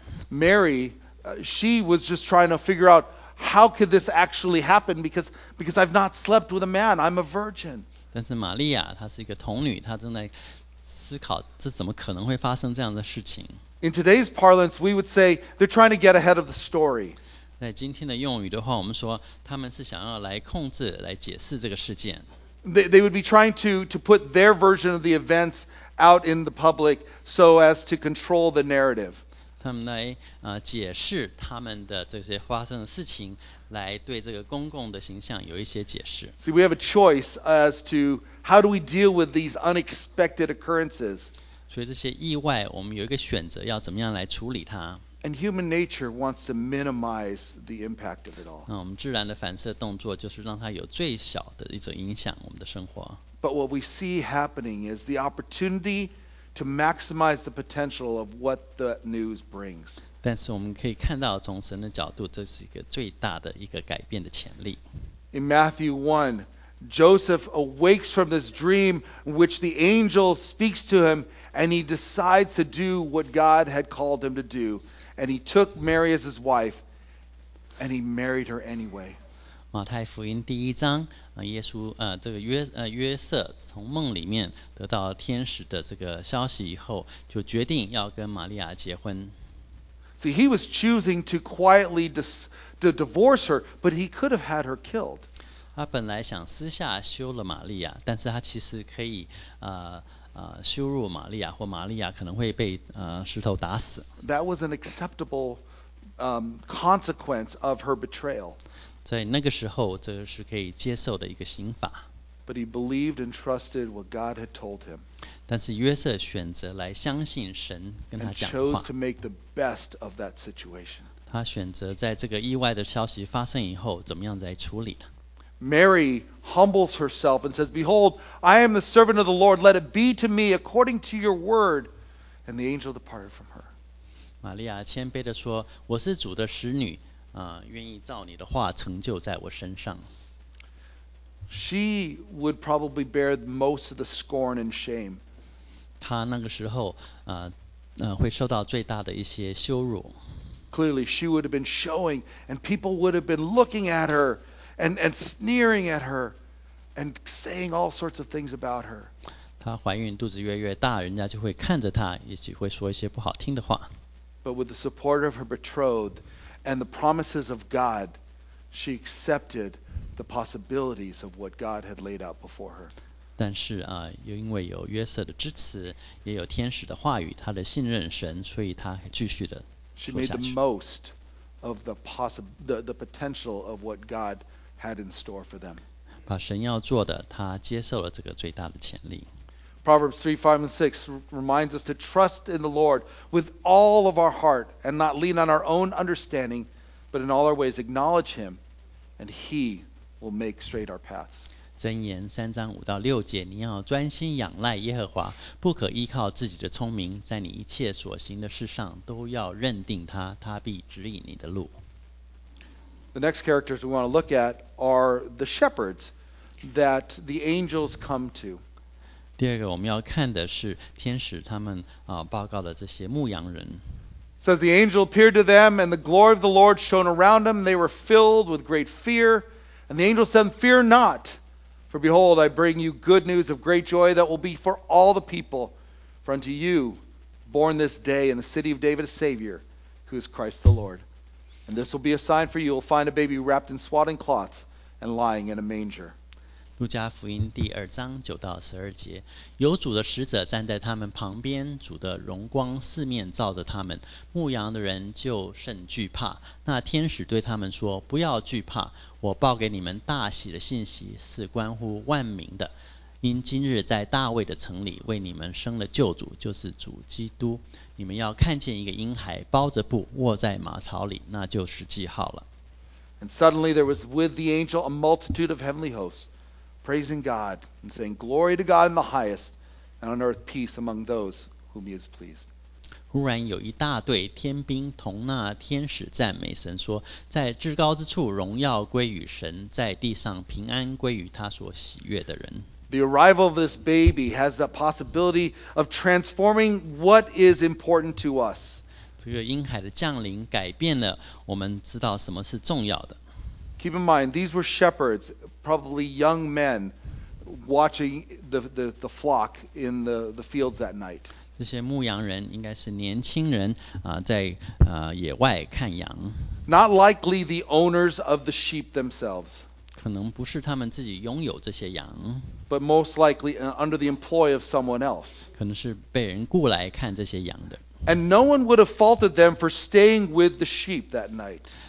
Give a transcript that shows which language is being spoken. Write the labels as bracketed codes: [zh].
[en] Mary, she was just trying to figure out,How could this actually happen? Because I've not slept with a man. I'm a virgin. [zh] 但是玛利亚她是一个童女，她正在思考这怎么可能会发生这样的事情。 [en] In today's parlance, we would say they're trying to get ahead of the story. [zh] 在今天的用语的话，我们说他们是想要来控制、来解释这个事件。 [en] They would be trying to put their version of the events out in the public so as to control the narrative. [zh] 他们来解释他们的这些发生的事情，来对这个公共的形象有一些解释。 [en] See, we have a choice as to how do we deal with these unexpected occurrences. [zh] 所以这些意外，我们有一个选择，要怎么样来处理它。 [en] And human nature wants to minimize the impact of it all. [zh] 那我们自然的反射动作就是让它有最小的一种影响我们的生活。 [en] But what we see happening is the opportunity to maximize the potential of what the news brings. [zh] 但是我们可以看到，从神的角度，这是一个最大的一个改变的潜力。 [en] In Matthew 1, Joseph awakes from this dream which the angel speaks to him. And he decides to do what God had called him to do. And he took Mary as his wife, and he married her anyway. [zh] 马太福音第一章，耶稣，这个约瑟从梦里面得到天使的这个消息以后，就决定要跟玛利亚结婚。 [en] See, he was choosing to quietly to divorce her, but he could have had her killed. [zh] 他本来想私下休了玛利亚，但是他其实可以，羞辱玛利亚，或玛利亚可能会被石头打死。 [en] That was an acceptable consequence of her betrayal. [zh] 在那个时候，这是可以接受的一个刑罚。 [en] But he believed and trusted what God had told him. [zh] 但是约瑟选择来相信神跟他讲话。 [en] And chose to make the best of that situation. [zh] 他选择在这个意外的消息发生以后，怎么样来处理呢？ [en] Mary humbles herself and says, Behold, I am the servant of the Lord. Let it be to me according to your word. And the angel departed from her. [zh] 玛利亚谦卑地说，我是主的使女，愿意照你的话成就在我身上。 [en] She would probably bear most of the scorn and shame. [zh] 她那个时候，会受到最大的一些羞辱。 [en] Clearly, she would have been showing, and people would have been looking at her. And sneering at her, and saying all sorts of things about her. [zh] 她怀孕肚子越来越大，人家就会看着她，也许会说一些不好听的话。 [en] But with the support of her betrothed and the promises of God, she accepted the possibilities of what God had laid out before her. [zh] 但是又因为有约瑟的支持，也有天使的话语，她的信任神，所以她继续的说下去。 [en] She made the most. Of the potential of what God had in store for them. [zh] 把神要做的，他接受了这个最大的潜力。 [en] Proverbs 3, 5, and 6 reminds us to trust in the Lord with all of our heart and not lean on our own understanding, but in all our ways acknowledge Him, and He will make straight our paths. [zh] 箴言三章五到六节，你要专心仰赖耶和华，不可依靠自己的聪明，在你一切所行的事上都要认定他，他必指引你的路。 [en] The next characters we want to look at are the shepherds that the angels come to. [zh] 第二个我们要看的是天使他们报告的这些牧羊人。 [en] It says the angel appeared to them, and the glory of the Lord shone around them. They were filled with great fear, and the angel said, "Fear not." For behold, I bring you good news of great joy that will be for all the people. For unto you, born this day in the city of David, a Savior, who is Christ the Lord. And this will be a sign for you. You will find a baby wrapped in swaddling cloths and lying in a manger. [zh] 路加福音第二章九到十二节，有主的使者站在他们旁边，主的荣光四面照着他们，牧羊的人就甚惧怕。那天使对他们说，不要惧怕。我报给你们大喜的信息是关乎万民的，因今日在大卫的城里为你们生了救主，就是主基督。你们要看见一个婴孩包着布卧在马槽里，那就是记号了。 [en] And suddenly there was with the angel a multitude of heavenly hosts, praising God and saying, "Glory to God in the highest, and on earth peace among those whom He has pleased." [zh] 忽然有一大队天兵同那天使赞美神说，在至高之处荣耀归于神，在地上平安归于他所喜悦的人。 [en] The arrival of this baby has the possibility of transforming what is important to us. [zh] 这个婴孩的降临改变了我们知道什么是重要的。 [en] Keep in mind, these were shepherds, probably young men, watching the flock in the fields that night. [zh] 这些牧羊人应该是年轻人啊，在野外看羊。 [en] Not likely the owners of the sheep themselves. [zh] 可能不是他们自己拥有这些羊。 [en] But most likely under the employ of someone else. [zh] 可能是被人雇来看这些羊的。 [en] And no one would have faulted them for staying with the sheep that night.